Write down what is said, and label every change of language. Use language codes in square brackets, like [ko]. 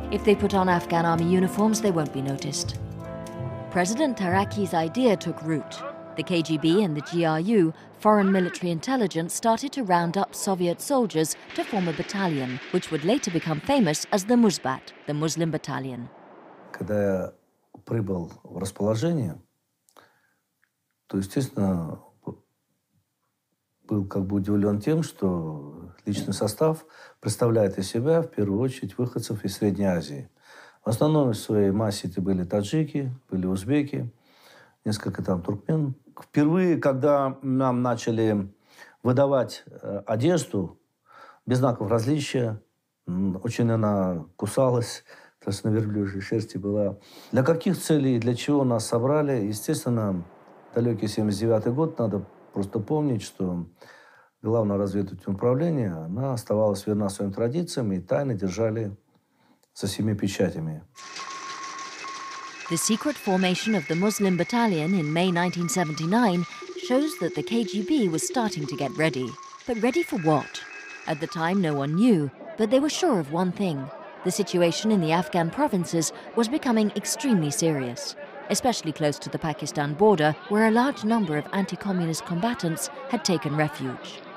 [en] If they put on Afghan army uniforms, they won't be noticed. President Taraki's idea took root. The KGB and the GRU, Foreign Military Intelligence, started to round up Soviet soldiers to form a battalion, which would later become famous as the Muzbat, the Muslim Battalion. [ru] Когда я прибыл в расположение, то, естественно, был как бы удивлен тем, что личный состав представляет из себя, в первую очередь, выходцев из Средней Азии. В основной своей массе это были таджики, были узбеки, несколько там туркмен. Впервые, когда нам начали выдавать одежду без знаков различия, очень она кусалась, то есть на верблюжьей шерсти была. Для каких целей, для чего нас собрали? Естественно, далекий 79-й год, надо просто помнить, что главное разведывательное управление, она оставалась верна своим традициям и тайно держали со всеми печатями. [en] The secret formation of the Muslim Battalion in May 1979 shows that the KGB was starting to get ready. But ready for what? At the time, no one knew, but they were sure of one thing. The situation in the Afghan provinces was becoming extremely serious, especially close to the Pakistan border, where a large number of anti-communist combatants had taken refuge.